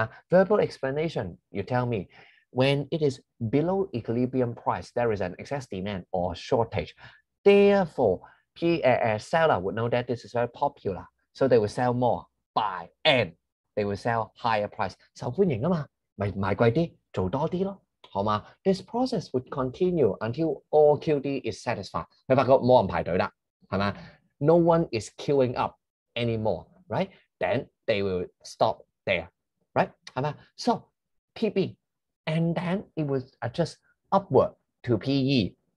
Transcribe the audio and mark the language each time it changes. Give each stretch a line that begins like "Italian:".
English: Verbal explanation, you tell me. When it is below equilibrium price, there is an excess demand or shortage. Therefore, seller would know that this is very popular. So they will sell more, buy, and they will sell higher price.
Cantonese: 受歡迎嘛, 賣貴一點, 做多一點咯, 好嗎?
English: This process would continue until all QD is satisfied.
Cantonese: 你發覺沒有人排隊了,
English: no one is queuing up anymore, right? Then they will stop there, right? 好嗎? So, PB, and then it will adjust upward to PE.